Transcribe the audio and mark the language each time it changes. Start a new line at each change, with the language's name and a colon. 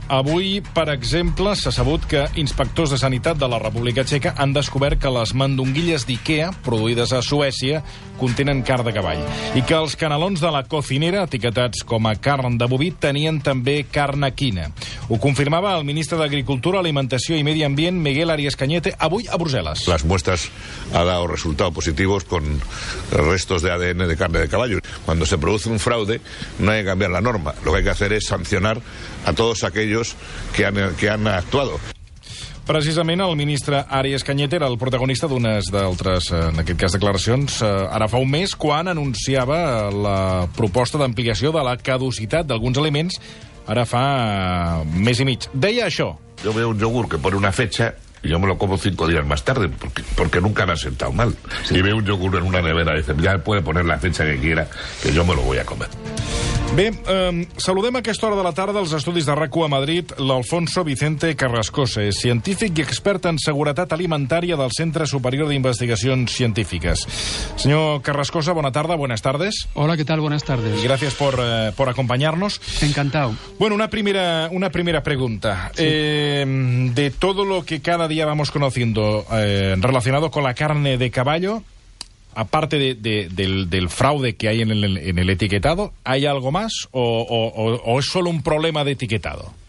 Catalan: Avui, per exemple, s'ha sabut que inspectors de sanitat de la República Txeca han descobert que les mandonguilles d'IKEA, produïdes a Suècia, contenen carn de cavall. I que els canelons de la cocinera, etiquetats com a carn de boví, tenien també carn equina. Ho confirmava el ministre d'Agricultura, Alimentació i Medi Ambient, Miguel Arias Cañete, avui a Brussel·les.
Spanish: Les muestres han dado resultados positivos con restos de ADN de carne de caballo. Cuando se produce un fraude, no hay que cambiar la norma. Lo que hay que hacer es sancionar a todos aquellos que han actuado.
Catalan: Precisament el ministre Arias Cañete era el protagonista d'unes d'altres, en aquest cas, declaracions ara fa un mes, quan anunciava la proposta d'ampliació de la caducitat d'alguns aliments ara fa mes i mig. Deia això.
Spanish: Yo veo un yogur que pone una fecha y yo me lo como 5 días más tarde porque nunca me ha sentado mal. Sí. Y veo un yogur en una nevera y dice, ya puede poner la fecha que quiera que yo me lo voy a comer.
Catalan: Bé, saludem a aquesta hora de la tarda als estudis de RAC1 a Madrid l'Alfonso Vicente Carrascosa, científic i expert en seguretat alimentària del Centre Superior d'Investigacions Científiques. Senyor Carrascosa, bona tarda,
Spanish: buenas tardes.
Catalan: Hola, què tal,
Spanish: buenas tardes.
Catalan: I gràcies per acompanyar-nos.
Spanish: Encantado. Bueno, una primera pregunta. Sí. De todo lo que cada día vamos conociendo relacionado con la carne de caballo, aparte del fraude que hay en el etiquetado, ¿hay algo más o es solo un problema de etiquetado?